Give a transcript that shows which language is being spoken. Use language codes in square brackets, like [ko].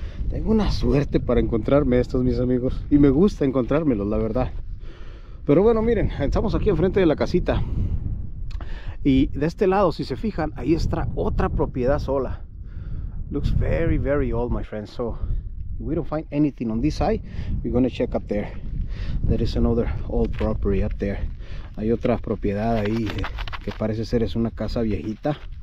[es] Tengo una suerte para encontrarme estos, mis amigos. Y me gusta encontrármelos, la verdad. Pero bueno, miren, estamos aquí enfrente de la casita. Y de este lado, si se fijan, ahí está otra propiedad sola. [en] Looks very, very old, my friend. So, if we don't find anything on this side, we're going to check up there. There is another old property up there. [es] Hay otra propiedad ahí que parece ser es una casa viejita.